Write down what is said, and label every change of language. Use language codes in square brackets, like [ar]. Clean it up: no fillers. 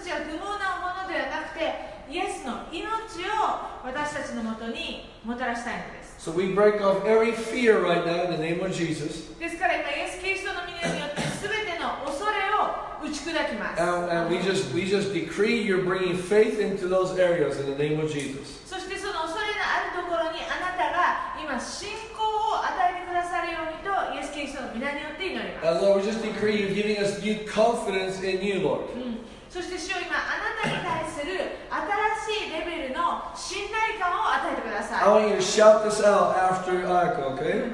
[ja] Yeah. 私たちは不毛なものではなくて、イエスの命を私たちのもとにもたらしたいのです。 [en] So we break off every fear right now in the name of Jesus. [ja] ですから今イエス・キリストの御名によって全ての恐れを打ち砕きます。 [en] And we just decree you're bringing faith into those areas in the name of Jesus. [ja] そしてその恐れのあるところにあなたが今信仰を与えてくださるようにとイエス・キリストの御名によって祈ります。 [en] And Lord, we just decree you're giving us new confidence in you, Lord. [ja] そして主よ今あなたに対する新しいレベルの信頼感を与えてください。 [en] I want you to shout this out after Ayako, okay?